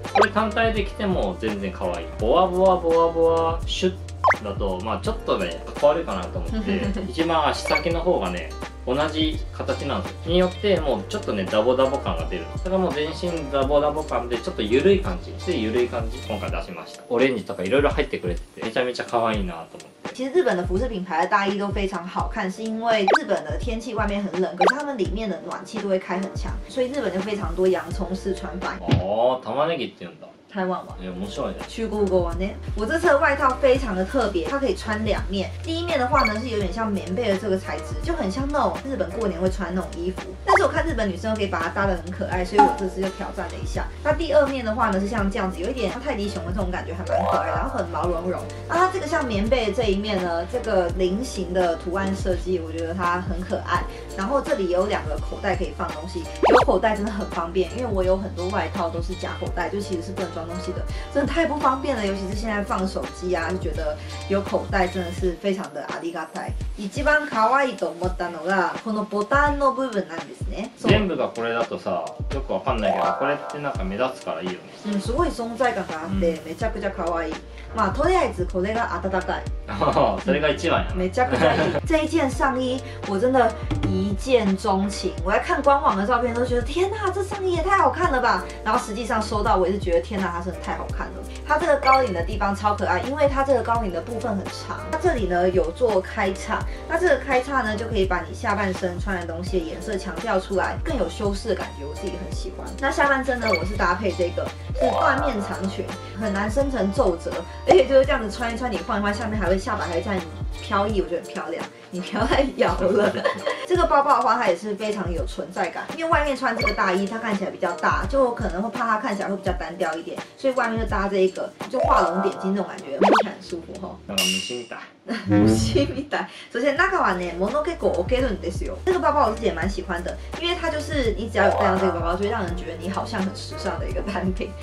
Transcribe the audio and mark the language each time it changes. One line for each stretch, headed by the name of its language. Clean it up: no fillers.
Japanese: これ単体で着ても全然可愛い。ボワボワボワボワ、シュッだと、まぁ、ちょっとね、かっこ悪いかなと思って、一番足先の方がね、同じ形なんですよ。によってもうちょっとね、ダボダボ感が出る。だからもう全身ダボダボ感で、ちょっと緩い感じ、つい緩い感じ今回出しました。オレンジとかいろいろ入ってくれてて、めちゃめちゃ可愛いなと思って。
Chinese: 其实日本的服饰品牌的大衣都非常好看，是因为日本的天气外面很冷，可是他们里面的暖气都会开很强，所以日本就非常多洋葱式穿法。
Japanese: 哦，玉ねぎって言うんだ。
Chinese: 台湾吗？
Japanese: 面白いね。
Chinese: 去故宫玩呢。我这次的外套非常的特别，它可以穿两面。第一面的话呢，是有点像棉被的这个材质，就很像那种日本过年会穿那种衣服。但是我看日本女生都可以把它搭得很可爱，所以我这次就挑战了一下。那第二面的话呢，是像这样子，有一点像泰迪熊的这种感觉，还蛮可爱，然后很毛茸茸。那它这个像棉被的这一面呢，这个菱形的图案设计，我觉得它很可爱。然后这里有两个口袋可以放东西，有口袋真的很方便，因为我有很多外套都是假口袋，就其实是不能装东西的，真的太不方便了，尤其是现在放手机啊，就觉得有口袋真的是非常的
Japanese: ありがたい。一番可愛いと思ったのがこのボタンの部分なんですね。全部がこれだとさ、よくわかんないけど、これってなんか目立つからいいよね。うん、すごい存在感があって、うん、めちゃくちゃ可愛い。まあとりあえずこれが温かい。それが一番や。めちゃくちゃいい。
Chinese: 这一件上衣我真的一见钟情，我在看官网的照片都觉得天哪，这上衣也太好看了吧。然后实际上收到我也是觉得天哪，它真的太好看了。它这个高领的地方超可爱，因为它这个高领的部分很长，它这里呢有做开叉，那这个开叉呢就可以把你下半身穿的东西的颜色强调出来，更有修饰的感觉，我自己很喜欢。那下半身呢，我是搭配这个是缎面长裙，很难生成皱褶，而且就是这样子穿一穿，你晃一晃，下面还会下摆还在飘逸，我觉得很漂亮。你不要再咬了。这个包包的话，它也是非常有存在感，因为外面穿这个大衣，它看起来比较大，就可能会怕它看起来会比较单调一点，所以外面就搭这一个，就画龙点睛那种感觉，摸起来很舒服哈。
Japanese: なんか虫みたい。虫みたい。そして中はね、物結構置けるんですよ。
Chinese: 这个包包我自己也蛮喜欢的，因为它就是你只要有带上这个包包，就会让人觉得你好像很时尚的一个单品。